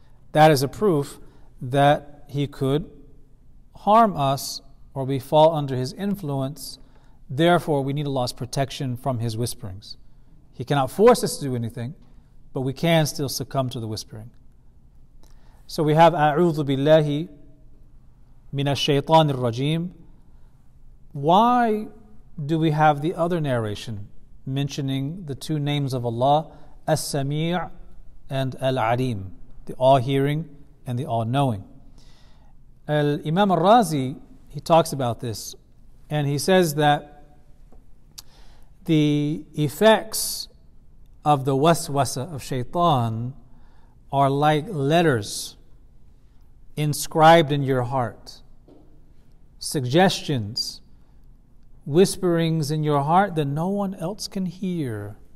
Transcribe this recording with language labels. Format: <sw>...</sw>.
<en>That is a proof that He could harm us or we fall under His influence. Therefore, we need Allah's protection from His whisperings. He cannot force us to do anything, but we can still succumb to the whispering. So we have</en> <ar>أعوذ بالله من الشيطان الرجيم.</ar> <en>Why do we have the other narration mentioning the two names of Allah, السميع and العليم, the all-hearing and the all-knowing? Imam al-Razi, he talks about this, and he says that the effects of the waswasa of shaitan are like letters inscribed in your heart, suggestions, whisperings in your heart that no one else can hear.</en>